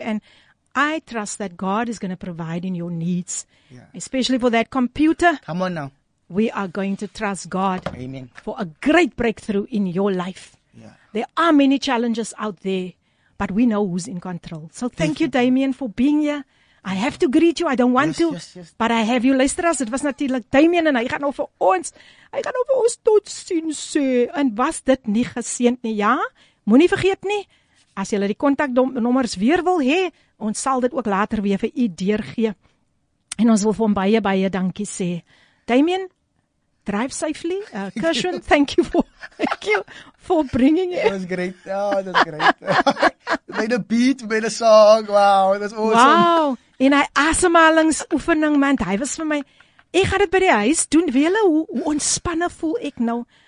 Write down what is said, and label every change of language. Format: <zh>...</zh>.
<en>And I trust that God is going to provide in your needs, especially for that computer. Come on now. We are going to trust God. Amen. For a great breakthrough in your life. Yeah. There are many challenges out there. but we know who's in control. So thank you, Damien, for being here. I have to greet you. I don't want to. Yes. But I have you.</en> <af>Luisteraars, dit was natuurlik Damien en hy gaan nou vir ons tot sien sê. En was dit nie geseend nie? Ja, moenie vergeet nie. As jy die kontaknommers weer wil hê, ons sal dit ook later weer vir u deurgee. En ons wil vir hom baie baie dankie sê.</af> <en>Damien, drive safely. Kershwin, thank you for bringing it. That was great. Oh, that was great. Made a beat, made a song. Wow, that's awesome.</en> <af>Wow. En hy asemhalingsoefening, man, hy was vir my, ek gaan dit by die huis doen, wele, hoe ontspanne voel ek nou.</af>